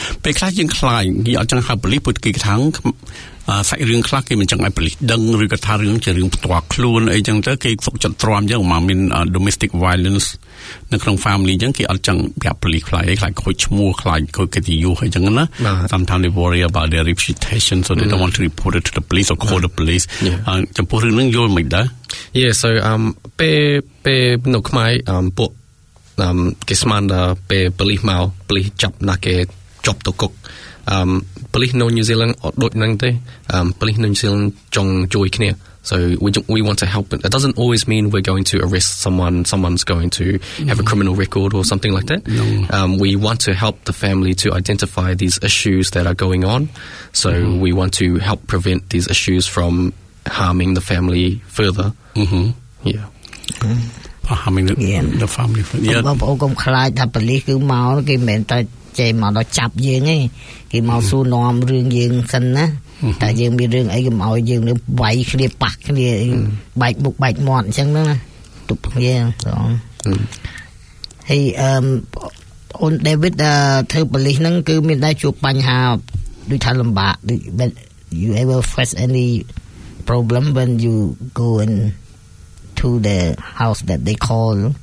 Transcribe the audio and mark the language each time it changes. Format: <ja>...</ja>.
<km>ពេលខ្លះយើងខ្លាចគេអត់ចង់ហៅប៉ូលីសពួកគេខាងសាច់រឿងខ្លះគេមិនចង់ឲ្យប៉ូលីសដឹងឬក៏ថារឿងជារឿងផ្ទាល់ខ្លួនអីចឹងទៅគេសុខចិត្តទ្រាំយើងមកមាន domestic violence នៅក្នុង family ចឹងគេអត់ចង់ប្រាប់ប៉ូលីសខ្លាចអីខ្លាចខូចឈ្មោះខ្លាចខូចកិត្តិយសអីចឹងណា</km> <en>sometimes they worry about their reputation so they don't want to report it to the police</en> <km>or call the police ចំពោះរឿងនឹងយល់មិនដែរ</km> <en>yeah so</en> <km>ពេលនៅខ្មែរពួកគេស្មានថាពេលប៉ូលីសមកប៉ូលីសចាប់ណាគេជាប់ទៅគុក</km> <en>police no New Zealand</en> <km>អត់ដូចនឹងទេ</km> <en>police no New Zealand</en> <km>ចង់ជួយគ្នា</km> <en>so we want to help it doesn't always mean we're going to arrest someone's going to have a criminal record or something like that we want to help the family to identify these issues that are going on so we want to help prevent these issues from harming the family further yeah for harming the family</en> <km>yeah បងប្អូនកុំខ្លាចថា police គឺមកគេមិនតែចេះមកដល់ចាប់យើងឯងគេមកសួរនាំរឿងយើងសិនណាតែយើងមានរឿងអីកុំឲ្យយើងនឹងវាយគ្នាប៉ះគ្នាបែកមុខបែកមាត់អញ្ចឹងណាទុបងារផងហើយអូន David ធ្វើប៉ូលីសហ្នឹងគឺមានតែជួបបញ្ហាដូចថាលំបាកដូច</km> <en>you ever face any problem when you go in to the house that they call</en>